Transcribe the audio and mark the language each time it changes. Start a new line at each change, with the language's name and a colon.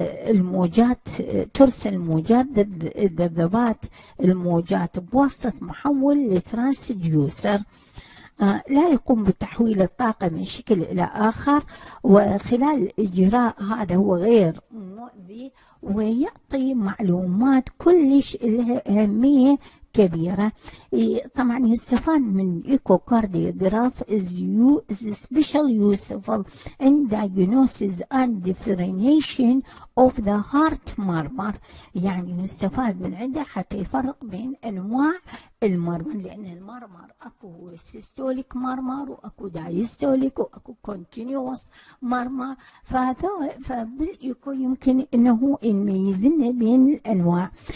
Arabic: الموجات ترسل موجات ذبذبات الموجات بواسطة محول لترانسديوسر لا يقوم بتحويل الطاقة من شكل إلى آخر، وخلال إجراء هذا هو غير مؤذي ويعطي معلومات كلش لها أهمية كبيرة. طبعا يستفاد من
English: Echocardiograph is special useful in diagnosis and differentiation of the heart murmur.
Arabic: يعني يستفاد من عنده حتى يفرق بين أنواع المرمر، لأن المرمر أكو سيستوليك مرمر وأكو دايستوليك وأكو كونتينيوس مرمر. فبالإيكو يمكن أنه يميزنا بين الأنواع.